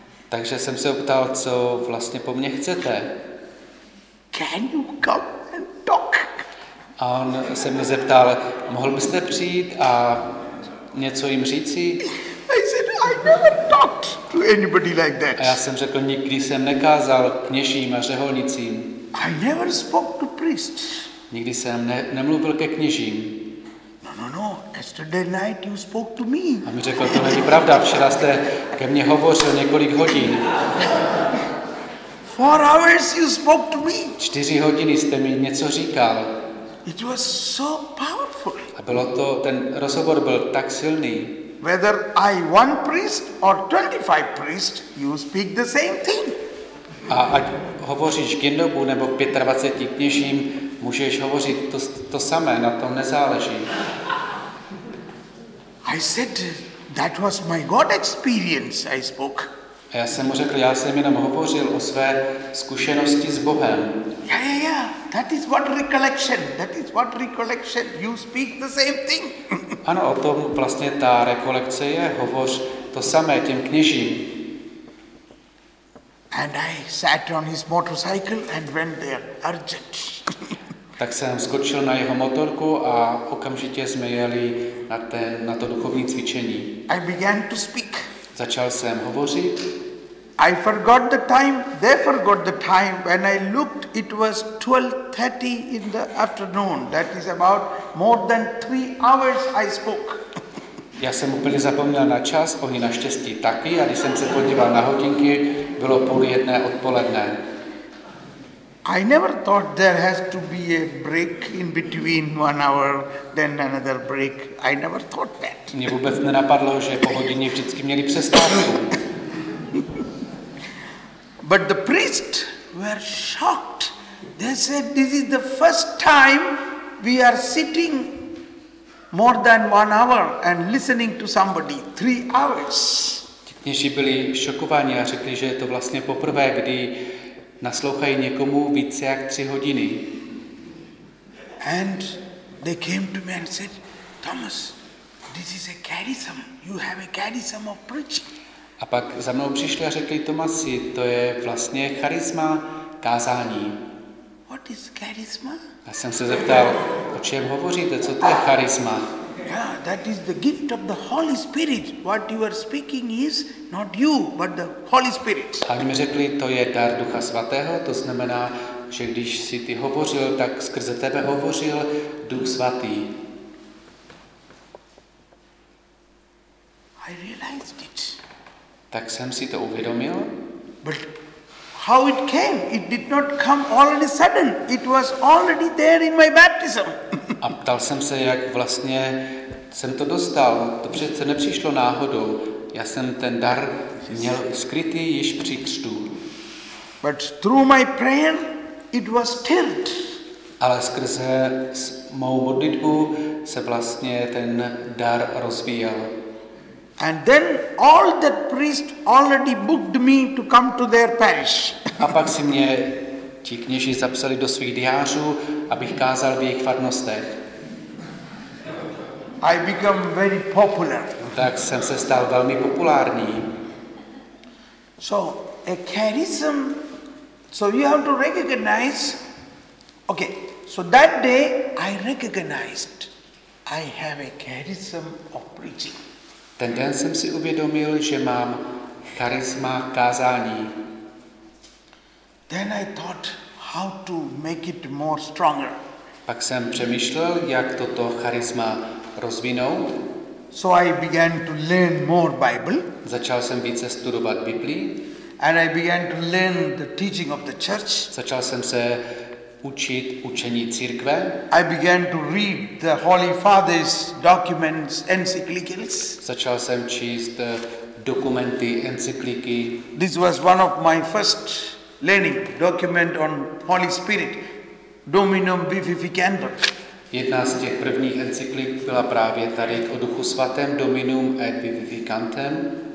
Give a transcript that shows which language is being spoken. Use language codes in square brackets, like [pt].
[cs] Takže jsem se optal, co vlastně po mně chcete? [en] Can you come and talk? [cs] A on se mě zeptal, mohl byste přijít a něco jim říci? [en] I said, I never talked to anybody like that. [cs] A já jsem řekl, nikdy jsem nekázal kněžím a řeholnicím. [en] I never spoke to priests. [cs] Nikdy jsem nemluvil ke kněžím. [en] No, yesterday night you spoke to me. [cs] A mi řekl, to není pravda, včera jste ke mně hovořil několik hodin. [en] 4 hours you spoke to me. [cs] 4 hodiny jste mi něco říkal. [en] It was so powerful. [cs] A bylo to, ten rozhovor byl tak silný. [en] Whether I one priest or 25 priests, you speak the same thing. [cs] A ať hovoříš k jindobu nebo 25 kněžím, můžeš hovořit to samé, na tom nezáleží. [en] I said that was my God experience I spoke. [cs] A já jsem mu řekl, já jsem jenom hovořil o své zkušenosti s Bohem. [en] Yeah. That is what recollection. That is what recollection. You speak the same thing. [cs] Ano, o tom vlastně ta rekolekce je, hovoř to samé těm kněžím. [en] And I sat on his motorcycle and went there urgent. [cs] Tak jsem skočil na jeho motorku a okamžitě jsme jeli na to duchovní cvičení. [en] I began to speak. [cs] Začal jsem hovořit. [en] I forgot the time, they forgot the time. When I looked, it was 12:30 in the afternoon. That is about more than 3 hours I spoke. [cs] Já jsem úplně zapomněl na čas, oni naštěstí taky, a když jsem se podíval na hodinky, bylo 12:30 odpoledne. [en] I never thought there has to be a break in between 1 hour, then another break. I never thought that. [cs] Mě vůbec nenapadlo, že po hodině vždycky měli přestávku. [en] But the priests were shocked. They said, this is the first time we are sitting more than 1 hour and listening to somebody 3 hours. [cs] Kněží byli šokováni a řekli, že je to vlastně poprvé, kdy naslouchají někomu více jak 3 hodiny. [en] And they came to me and said, Thomas, this is a charism. You have a charism of preaching. [cs] A pak za mnou přišli a řekli, Tomasi, to je vlastně charisma kázání. [en] What is charisma? [cs] Já jsem se zeptal, o čem hovoříte, co to je charisma? [en] Yeah, that is the gift of the Holy Spirit. What you are speaking is not you, but the Holy Spirit. [cs] A oni mi řekli, to je dar Ducha Svatého, to znamená, že když si ty hovořil, tak skrze tebe hovořil Duch Svatý. [en] I realized it. [cs] Tak jsem si to uvědomil. [en] But how it came? It did not come all of a sudden. It was already there in my baptism. [cs] A ptal jsem se, jak vlastně jsem to dostal. To přece nepřišlo náhodou. Já jsem ten dar měl skrytý již při křtu. [en] But through my prayer it was stirred. [cs] Ale skrze mou modlitbu se vlastně ten dar rozvíjel. [en] And then all the priests already booked me to come to their parish. [cs] A pak si mě ti kněží zapsali do svých diářů, abych kázal v jejich farnostech. [en] I become very popular. [cs] Tak jsem se stal velmi populární. [en] So a charism. So you have to recognize. Okay. So that day I recognized I have a charism of preaching. [cs] Ten den jsem si uvědomil, že mám charisma kázání. [en] Then I thought how to make it more stronger. [cs] Pak jsem přemýšlel, jak toto charisma rozvinout. [en] So I began to learn more Bible. [cs] Začal jsem více studovat Biblii. [en] And I began to learn the teaching of the church. [cs] Začal jsem se učit učení církve. [en] I began to read the Holy Father's documents, encyclicals. [cs] Začal jsem číst dokumenty, encykliky. [en] This was one of my first learning document on Holy Spirit, Dominum Vivificandum. [cs] Jedna z těch prvních encyklik byla právě tady o Duchu Svatém, Dominum et Vivificantem.